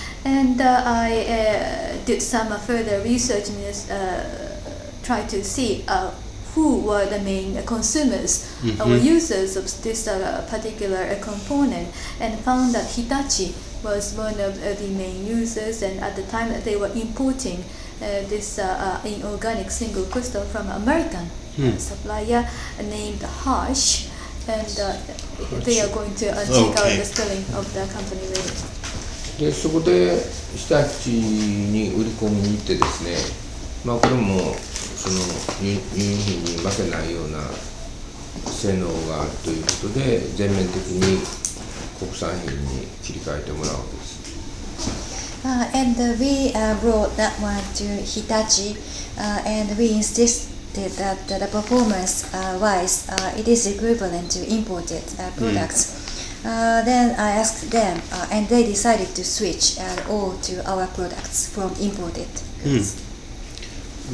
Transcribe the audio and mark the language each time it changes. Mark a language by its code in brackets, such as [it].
[en] And I did some further research and tried to see who were the main consumers or users of this particular component, and found that Hitachi was one of the main users, and at the time they were importing this inorganic single crystal from American supplier named Harsh, and they are going to check out the spelling of the company later. [ja] でそこで下地に売り込みに行ってですね、まあこれもその輸入品に負けないような性能があるということで全面的に国産品に切り替えてもらうわけです。 [en] And we brought that one to Hitachi, and we insisted that the performance wise, it is equivalent to imported products.、Mm. Then I asked them, and they decided to switch all to our products from imported goods.、Hmm.